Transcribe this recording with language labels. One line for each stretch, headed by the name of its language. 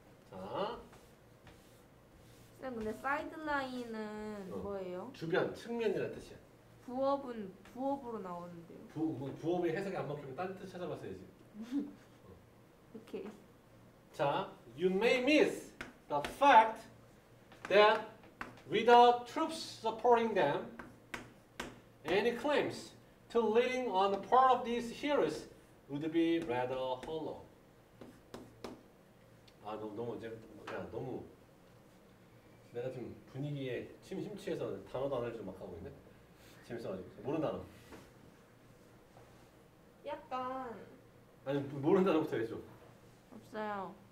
Korean: 자. 선생님, 근데 사이드라인은 뭐예요? 주변, 측면이라는 뜻이야. 부업은 부업으로 나오는데요. 부업의 해석이 안 먹히면 딴 뜻 찾아봤어야지. 오케이.
English: 자, you may miss the fact that without troops supporting them, any claims to leading on the part of these heroes would be rather hollow.
Korean: 아, 너무 내가 지금 분위기에 심취해서 단어도 안 할 줄 막 하고 있네. 재밌어가지고 모르는 단어. 약간. 아니 모르는 단어부터 해줘. 없어요.